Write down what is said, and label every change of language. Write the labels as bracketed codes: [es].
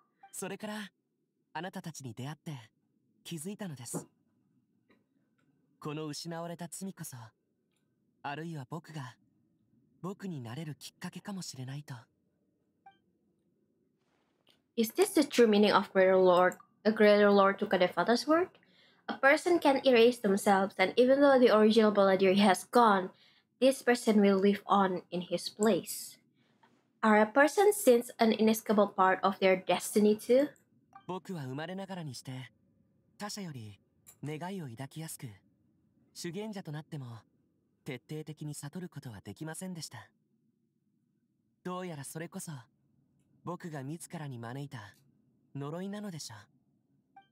[ja] それから、あなたたちに出会って気づいたのです。この失われた罪こそ、あるいは僕が僕になれるきっかけかもしれないと。 [en] Is this the true meaning of greater lord? A greater lord took a father's word? A person can erase themselves, and even though the original Balladier has gone, this person will live on in his place. Are a person's sins an inescapable part of their destiny too? [ja] 僕は生まれながらにして、他者より願いを抱きやすく、修験者となっても、徹底的に悟ることはできませんでした。どうやらそれこそ僕が自らに招いた呪いなのでしょう。